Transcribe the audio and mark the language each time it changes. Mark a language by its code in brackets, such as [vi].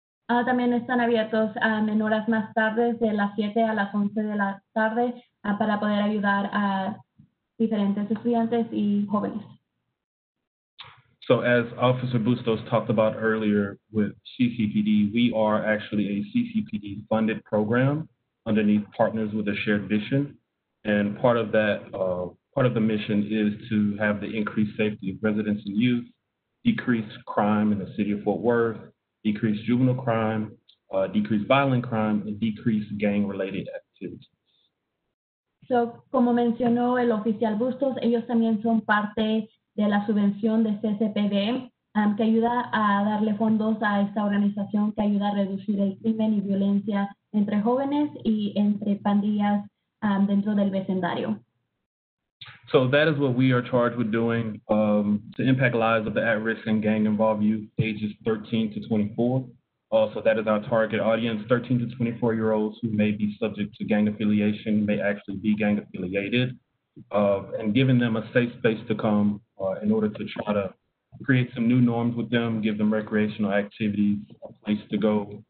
[es] También están abiertos en horas más tardes de las 7 a las 11 de la tarde para poder ayudar a diferentes estudiantes y jóvenes. [en] So as Officer Bustos talked about earlier with CCPD, we are actually a CCPD-funded program underneath Partners with a Shared Vision. And part of that, part of the mission is to have the increased safety of residents and youth, decrease crime in the city of Fort Worth, decrease juvenile crime, decrease violent crime, and decrease gang-related activities. [es] So, como mencionó el oficial Bustos, ellos también son parte de la subvención de CCPD, que ayuda a darle fondos a esta organización que ayuda a reducir el crimen y violencia entre jóvenes y entre pandillas dentro del vecindario. [en] So that is what we are charged with doing, to impact lives of the at-risk and gang-involved youth ages 13 to 24. So that is our target audience, 13 to 24-year-olds who may be subject to gang affiliation, may actually be gang-affiliated, and giving them a safe space to come in order to try to create some new norms with them, give them recreational activities, a place to go.